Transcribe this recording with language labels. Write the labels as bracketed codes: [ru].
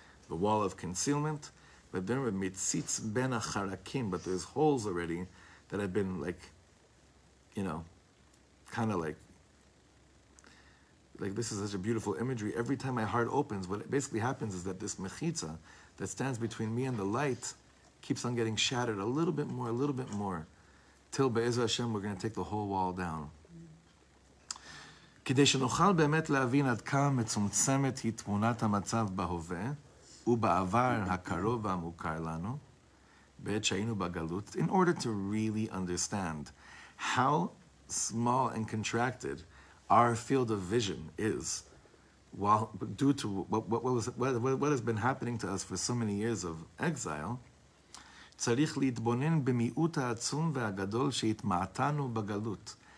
[en] The wall of concealment. But there's holes already that have been like, you know, kind of like this is such a beautiful imagery. Every time my heart opens, what basically happens is that this mechitza that stands between me and the light keeps on getting shattered a little bit more, till Be'ezah Hashem we're going to take the whole wall down. [he] כדי שנוכל באמת להבין עד כמה מצומצמת היא תמונת המצב בהווה ובעבר הקרוב והמוכר לנו בעת שהיינו בגלות. [en] In order to really understand how small and contracted our field of vision is while due to what has been happening to us for so many years of exile, [he] צריך להתבונן במיעוט העצום והגדול שהתמעטנו בגלות.